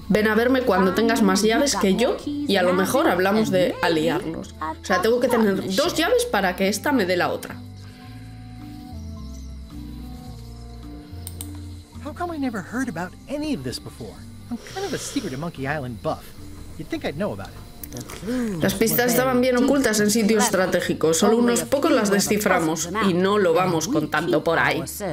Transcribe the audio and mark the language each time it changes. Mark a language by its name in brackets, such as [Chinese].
[Spanish] Ven a verme cuando tengas más llaves que yo y a lo mejor hablamos de aliarnos. O sea, tengo que tener dos llaves para que esta me dé la otra. [English] How come I never heard about any of this before? I'm kind of a secret Monkey Island buff. You'd think I'd know about it. [Spanish] Las pistas estaban bien ocultas en sitios estratégicos. Solo unos pocos las desciframos y no lo vamos contando por ahí.